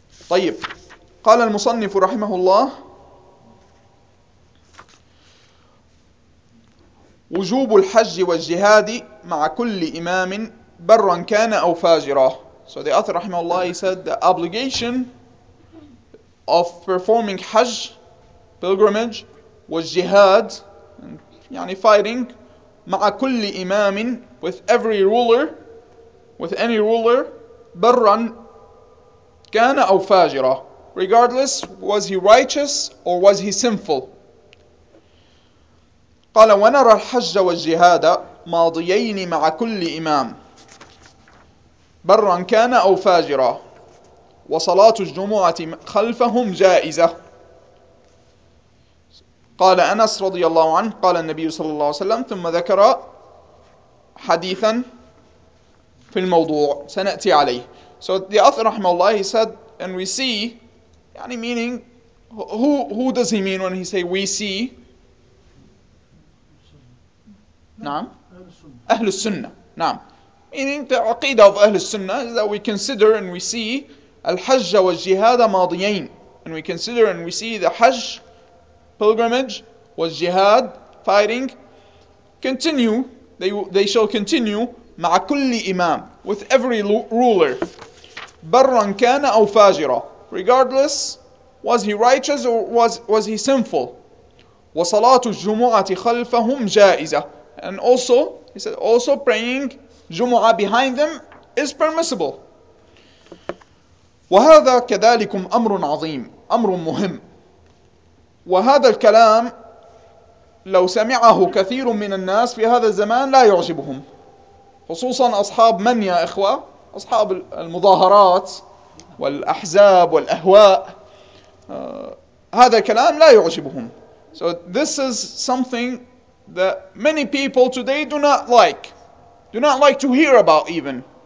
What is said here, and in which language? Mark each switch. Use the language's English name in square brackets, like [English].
[Arabic] طيب قال المصنف رحمه الله وجوب الحج والجهاد مع كل إمام برا كان أو فاجرا. [English] So the author رحمه الله, he said the obligation of performing Hajj, pilgrimage, was jihad, fighting, [Arabic] مع كل إمام, [English] with every ruler, with any ruler, [Arabic] برا كان أو فاجرا, [English] regardless was he righteous or was he sinful. [Arabic] قال ونرى الحج والجهاد ماضيين مع كل إمام برا كان أو فاجرا وصلاة الجمعة خلفهم جائزة. قال أنس رضي الله عنه قال النبي صلى الله عليه وسلم ثم ذكر حديثا في الموضوع سنأتي عليه. [English] So the author رحمه الله, he said, and we see meaning Who does he mean when he say we see? [Arabic] نعم. أهل السنة. نعم. [English] Meaning the aqidah of أهل السنة is that we consider and we see [Arabic] الحج والجهاد ماضيين. [English] And we consider and we see the Hajj, pilgrimage, والجهاد, fighting, continue. They shall continue [Arabic] مع كل إمام, [English] with every ruler, [Arabic] برا كان أو فاجرا. [English] Regardless, was he righteous or was he sinful? [Arabic] وصلاة الجمعة خلفهم جائزة. [English] And also, he said, also praying Jumu'ah behind them is permissible. [Arabic] وهذا كذلكم أمر عظيم, أمر مهم. وهذا الكلام لو سمعه كثير من الناس في هذا الزمان لا يعجبهم. خصوصا أصحاب من يا إخوة؟ أصحاب المظاهرات والأحزاب والأهواء. هذا الكلام لا يعجبهم. [English] So this is something that many people today do not like to hear about even.